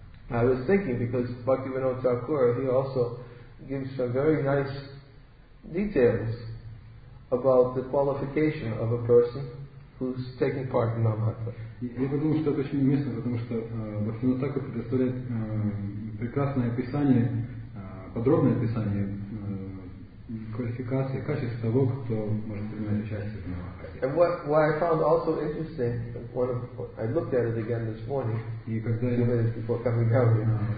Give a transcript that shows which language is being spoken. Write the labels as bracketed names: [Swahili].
[English] I was thinking because Bhaktivinoda Thakur, he also gives some very nice details about the qualification of a person who's taking part in Namhata. [Russian] Я подумал, что это очень уместно, потому что Бхактивинода Тхакур предоставляет прекрасное описание, подробное описание квалификации, качества того, кто может принимать участие в Намахате. [English] And what I found also interesting, I looked at it again this morning, two minutes before coming down here.